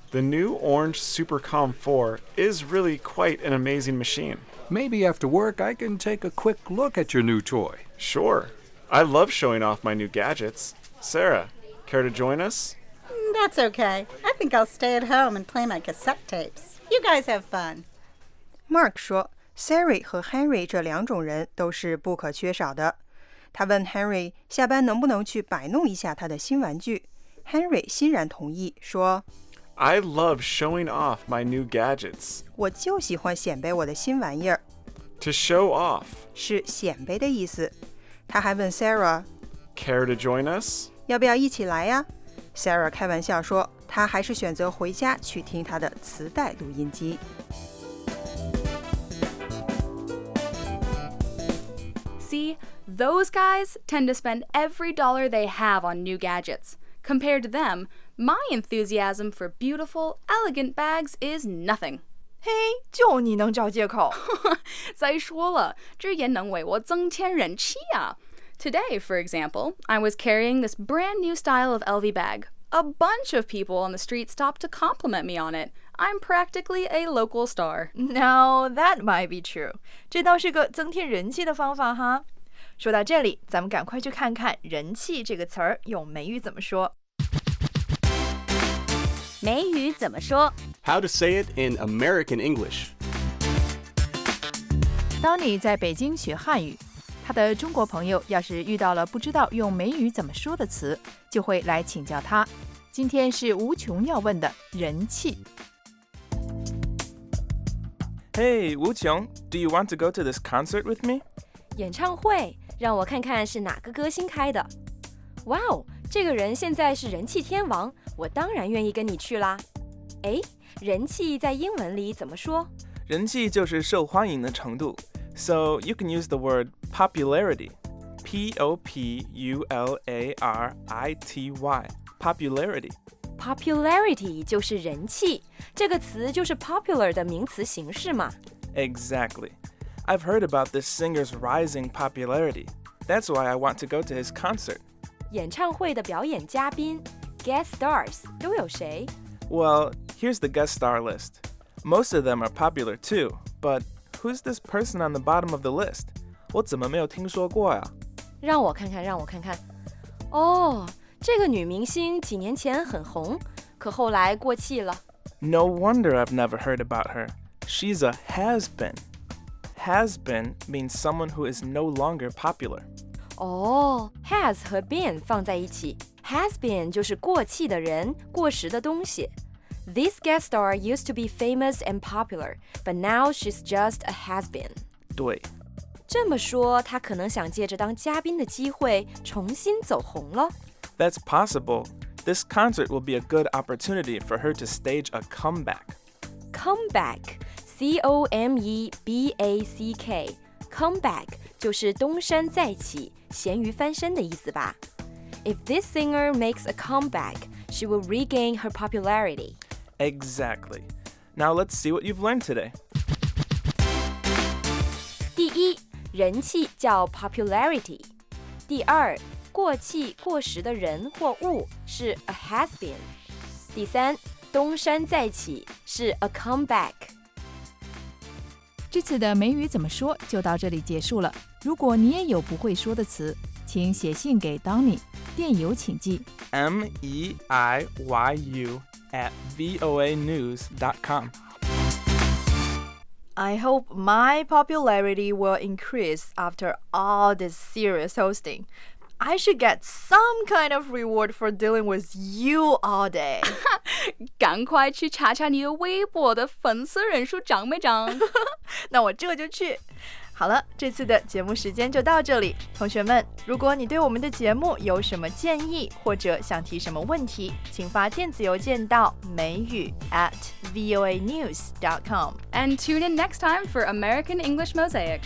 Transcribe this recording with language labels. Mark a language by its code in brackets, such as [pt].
[en] The new orange Supercom 4 is really quite an amazing machine. Maybe after work I can take a quick look at your new toy. Sure. I love showing off my new gadgets. Sarah, care to join us? That's okay. I think I'll stay at home and play my cassette tapes. You guys have fun. [zh] Mark 说 ,Sari 和 Henry 这两种人都是不可缺少的。他问 Henry 下班能不能去摆弄一下他的新玩具。 Henry 欣然同意说 [en] I love showing off my new gadgets. [zh] 我就喜欢显摆我的新玩意儿。 [en] To show off. [zh] 是显摆的意思。他还问 Sarah, [en] Care to join us? [zh] 要不要一起来呀 ?Sarah 开玩笑说他还是选择回家去听他的磁带录音机。 [en] See, those guys tend to spend every dollar they have on new gadgets. Compared to them, my enthusiasm for beautiful, elegant bags is nothing. [zh] Hey, 就你能找借口。再说了，这也能为我增添人气啊。 [en] Today, for example, I was carrying this brand new style of LV bag. A bunch of people on the street stopped to compliment me on it. I'm practically a local star. Now, that might be true. [zh] 这倒是个增添人气的方法哈。说到这里，咱们赶快去看看人气这个词儿用美语怎么说。美语怎么说 [en] ?How to say it in American English. [zh] 当你在北京学汉语，他的中国朋友要是遇到了不知道用美语怎么说的词，就会来请教他。今天是无穷要问的人气。 [en] Hey, Wu Qiong, do you want to go to this concert with me? [zh] 演唱会，让我看看是哪个歌星开的。Wow, 这个人现在是人气天王，我当然愿意跟你去啦。哎，人气在英文里怎么说？人气就是受欢迎的程度。 [en] So you can use the word popularity, P-O-P-U-L-A-R-I-T-Y, popularity. [zh] Popularity 就是人气，这个词就是 popular 的名词形式嘛。 [en] Exactly. I've heard about this singer's rising popularity. That's why I want to go to his concert. [zh] 演唱会的表演嘉宾 ,guest stars, 都有谁？ [en] Well, here's the guest star list. Most of them are popular too, but who's this person on the bottom of the list? [zh] 我怎么没有听说过呀？让我看看。哦、oh,这个女明星几年前很红，可后来过气了。 [en] No wonder I've never heard about her. She's a has-been. Has-been means someone who is no longer popular. [zh] 哦、oh, has 和 been 放在一起。Has-been 就是过气的人，过时的东西。 [en] This guest star used to be famous and popular, but now she's just a has-been. [zh] 对。这么说，她可能想借着当嘉宾的机会重新走红了。 [en] That's possible. This concert will be a good opportunity for her to stage a comeback. Comeback, C-O-M-E-B-A-C-K. Comeback 就是东山再起，咸鱼翻身的意思吧。 If this singer makes a comeback, she will regain her popularity. Exactly. Now let's see what you've learned today. [zh] 第一，人气叫 popularity. 第二，过气过时的人或物是 a has been. 第三，东山再起是 a comeback. 这次的美语怎么说就到这里结束了。如果你也有不会说的词，请写信给 Donny， 电邮请寄 [en] meiyu@voanews.com. I hope my popularity will increase after all this serious hosting. I should get some kind of reward for dealing with you all day. [zh] 赶快去查查你的微博的粉丝人数涨没涨。那我这就去。好了，这次的节目时间就到这里。同学们，如果你对我们的节目有什么建议或者想提什么问题，请发电子邮件到美语@voanews.com. [en] And tune in next time for American English Mosaic.